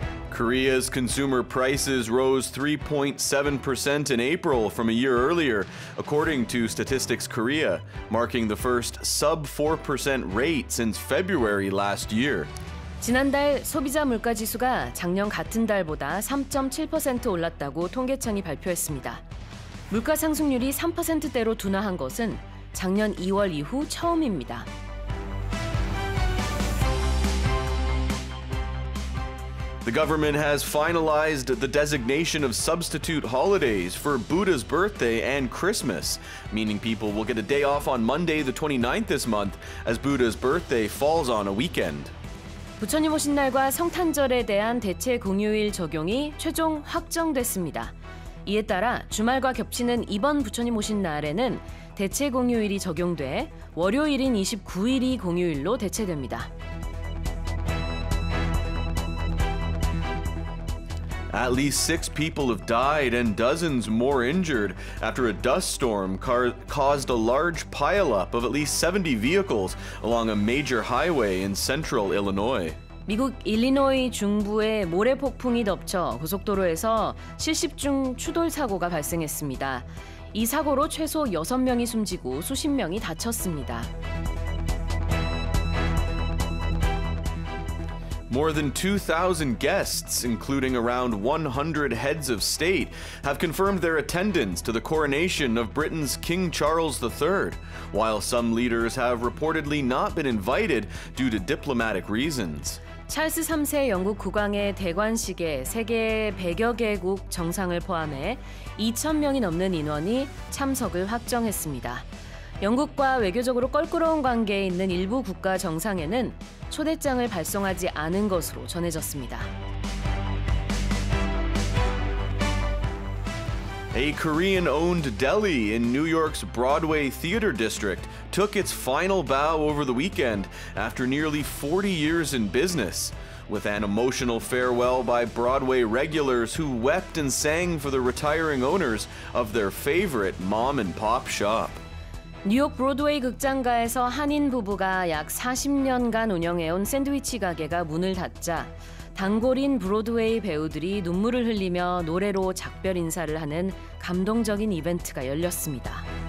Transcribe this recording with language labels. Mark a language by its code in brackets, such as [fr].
[en] 코리아's consumer prices rose 3.7% in April from a year earlier, according to Statistics Korea, marking the first sub-4% rate since February last year. [ko] 지난달 소비자 물가지수가 작년 같은 달보다 3.7% 올랐다고 통계청이 발표했습니다. 물가 상승률이 3%대로 둔화한 것은 작년 2월 이후 처음입니다. [en] The government has finalized the designation of substitute holidays for Buddha's birthday and Christmas, meaning people will get a day off on Monday the 29th this month as Buddha's birthday falls on a weekend. [ko] 부처님 오신 날과 성탄절에 대한 대체 공휴일 적용이 최종 확정됐습니다. 이에 따라 주말과 겹치는 이번 부처님 오신 날에는 대체 공휴일이 적용돼 월요일인 29일이 공휴일로 대체됩니다. [en] At least six people have died and dozens more injured after a dust storm caused a large pileup of at least 70 vehicles along a major highway in central Illinois. [ko] 미국 일리노이 중부에 모래 폭풍이 덮쳐 고속도로에서 70중 추돌 사고가 발생했습니다. 이 사고로 최소 6명이 숨지고 수십 명이 다쳤습니다. [en] More than 2,000 guests, including around 100 heads of state, have confirmed their attendance to the coronation of Britain's King Charles III, while some leaders have reportedly not been invited due to diplomatic reasons. [ko] 찰스 3세 영국 국왕의 대관식에 세계 100여 개국 정상을 포함해 2,000명이 넘는 인원이 참석을 확정했습니다. 영국과 외교적으로 껄끄러운 관계에 있는 일부 국가 정상에는 초대장을 발송하지 않은 것으로 전해졌습니다. [en] A Korean-owned deli in New York's Broadway Theater District took its final bow over the weekend after nearly 40 years in business, with an emotional farewell by Broadway regulars who wept and sang for the retiring owners of their favorite mom-and-pop shop. [ko] 뉴욕 브로드웨이 극장가에서 한인 부부가 약 40년간 운영해온 샌드위치 가게가 문을 닫자 단골인 브로드웨이 배우들이 눈물을 흘리며 노래로 작별 인사를 하는 감동적인 이벤트가 열렸습니다.